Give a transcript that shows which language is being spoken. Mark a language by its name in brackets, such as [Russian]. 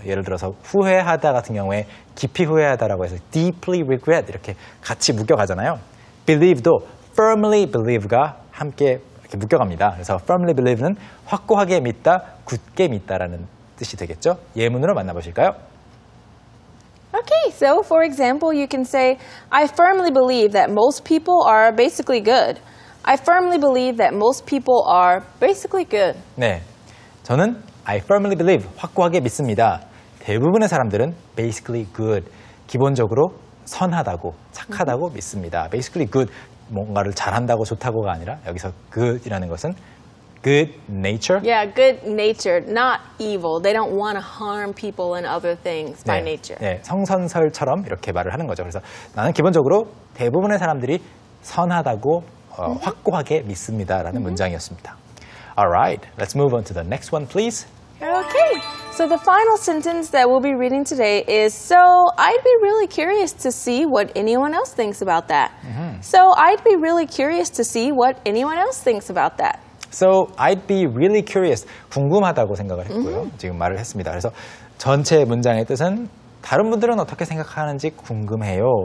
[Korean] 예를 들어서 후회하다 같은 경우에 깊이 후회하다라고 해서 deeply regret 이렇게 같이 묶여가잖아요. believe도 firmly believe가 함께 이렇게 묶여갑니다. 그래서 firmly believe는 확고하게 믿다, 굳게 믿다라는 뜻이 되겠죠. 예문으로 만나보실까요? [English] Okay, so for example, you can say, I firmly believe that most people are basically good. I firmly believe that most people are basically good. [Korean] 네, 저는 [English] I firmly believe, [Korean] 확고하게 믿습니다. 대부분의 사람들은 basically good, 기본적으로 선하다고, 착하다고 mm-hmm. 믿습니다. Basically good, 뭔가를 잘한다고, 좋다고가 아니라 여기서 good이라는 것은 good nature? [English] Yeah, good nature, not evil. They don't want to harm people and other things by [Korean] 네, [English] nature. [Korean] 네, 성선설처럼 이렇게 말을 하는 거죠. 그래서 나는 기본적으로 대부분의 사람들이 선하다고 mm-hmm. 확고하게 믿습니다라는 mm-hmm. 문장이었습니다. [English] All right, let's move on to the next one, please. Okay, so the final sentence that we'll be reading today is, so I'd be really curious to see what anyone else thinks about that. Mm-hmm. So I'd be really curious to see what anyone else thinks about that. So I'd be really curious. [Korean] 궁금하다고 생각을 했고요. Mm-hmm. 지금 말을 했습니다. 그래서 전체 문장의 뜻은 다른 분들은 어떻게 생각하는지 궁금해요.